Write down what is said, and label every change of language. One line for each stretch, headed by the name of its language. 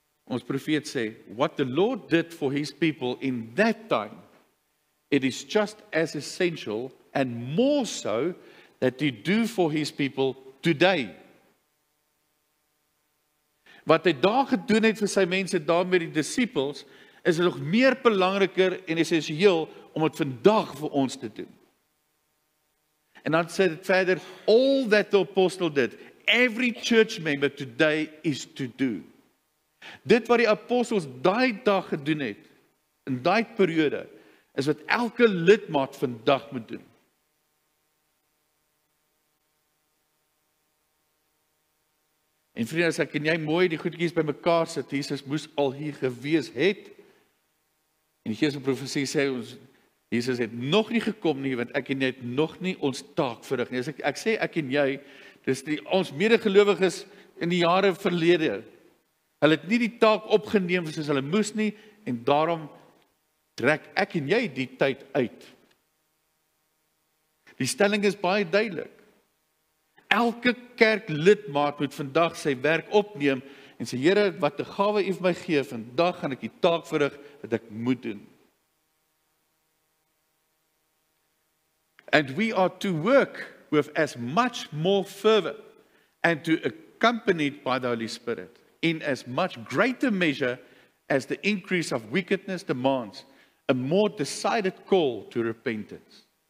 Afrikaans: Ons profeet sê,
English: what the Lord did for his people in that time, it is just as essential and more so that he do for his people today.
Afrikaans: Wat hy daar gedoen het vir sy mense, daar met die disciples, is nog meer belangriker en essensieel om het vandag vir ons te doen. En dan sê dit verder,
English: all that the apostle did, every church member today is to do.
Afrikaans: Dit wat die apostels daai dag gedoen het, in daai periode, is wat elke lidmaat vandag moet doen. En vriende, as ek en jy mooi die goedkies by mekaar sit, Jesus moes al hier gewees het, en die Gees van profesie sê ons, Jesus het nog nie gekom nie, want ek en jy het nog nie ons taak verrig nie. Ek sê ek en jy, dis die, ons medegelowiges in die jare verlede, hulle het nie die taak opgeneem, soos hulle moes nie, en daarom trek ek en jy die tyd uit. Die stelling is baie duidelik. Elke kerk lidmaat moet vandag sy werk opneem en sê, Here, wat die gawe u vir my gee, vandag gaan ek die taak verrig wat ek moet doen.
English: And we are to work with as much more fervor and to accompany it by the Holy Spirit in as much greater measure as the increase of wickedness demands a more decided call to repentance.